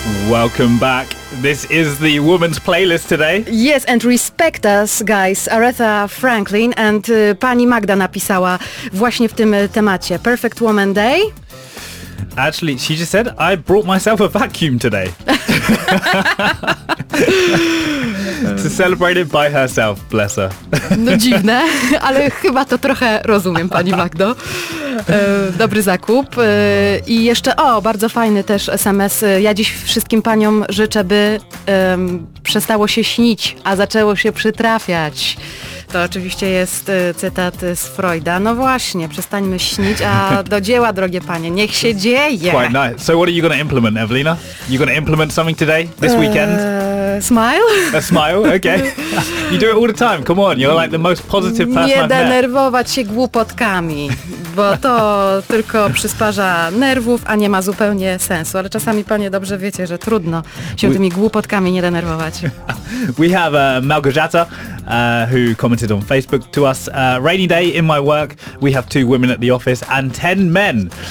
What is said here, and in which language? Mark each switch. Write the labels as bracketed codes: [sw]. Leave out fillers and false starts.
[en] Welcome back. This is the woman's playlist today. Yes, and respect us, guys. [pl] Aretha Franklin and pani Magda napisała właśnie w tym temacie. [en] Perfect Woman Day. Actually, she just said, I brought myself a vacuum today. To celebrate it by herself, bless her. [pl] No dziwne, ale chyba to trochę rozumiem, pani Magdo. Dobry zakup. I jeszcze, o, bardzo fajny też SMS. Ja dziś wszystkim paniom życzę, by przestało się śnić, a zaczęło się przytrafiać. To oczywiście jest cytat z Freuda. No właśnie, przestańmy śnić, a do dzieła, drogie panie, niech się dzieje. [en] Quite nice. So what are you going to implement, Evelina? You going to implement something today, this weekend? Smile? A smile, okay. You do it all the time, come on, you're like the most positive person I've met. [pl] Nie denerwować się głupotkami, bo to tylko przysparza nerwów, a nie ma zupełnie sensu. Ale czasami panie dobrze wiecie, że trudno się tymi głupotkami nie denerwować. [en] We have Małgorzata, who commented on Facebook to us. Rainy day in my work, we have two women at the office and 10 men.